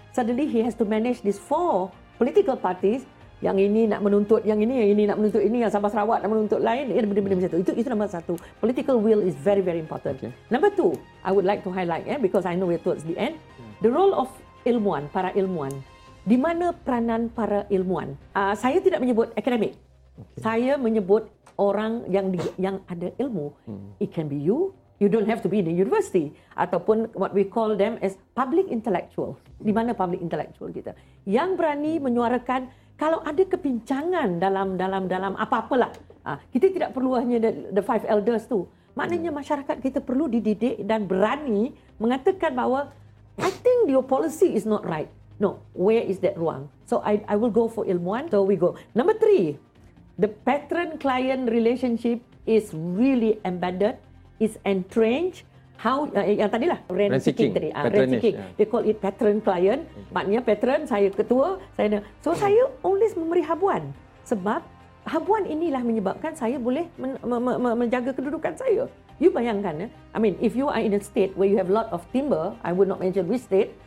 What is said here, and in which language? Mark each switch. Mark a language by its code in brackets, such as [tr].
[en] Suddenly he has to manage these four political parties. [ms] Yang ini nak menuntut, yang ini nak menuntut ini, yang Sabah Sarawak nak menuntut lain, benda-benda macam itu nombor satu. [en] Political will is very, very important. Okay. Number two, I would like to highlight, because I know we're towards the end. The role of [ms] ilmuwan, para ilmuwan. Di mana peranan para ilmuwan? Saya tidak menyebut akademik. Okay. Saya menyebut orang yang ada ilmu. [en] It can be you. You don't have to be in the university. [ms] Ataupun [en] what we call them as public intellectual. [ms] Di mana public intellectual kita? Yang berani menyuarakan kalau ada kepincangan dalam apa-apalah, kita tidak perlu hanya [en] the five elders [ms] tu. Maknanya masyarakat kita perlu dididik dan berani mengatakan bahawa [en] I think your policy is not right. No, where is that ruang? So I will go for ilmuwan. So we go. Number three, the patron-client relationship is really embedded, is entrenched. [ms] How yang tadilah [en] rent seeking [ms] tadi, [en] rent seeking. Yeah. They call it patron client. [ms] Okay. Maknanya patron saya ketua, saya ada. So saya always memberi habuan sebab habuan inilah menyebabkan saya boleh menjaga kedudukan saya. You bayangkan ya? [en] I mean if you are in a state where you have lot of timber, I would not mention which state.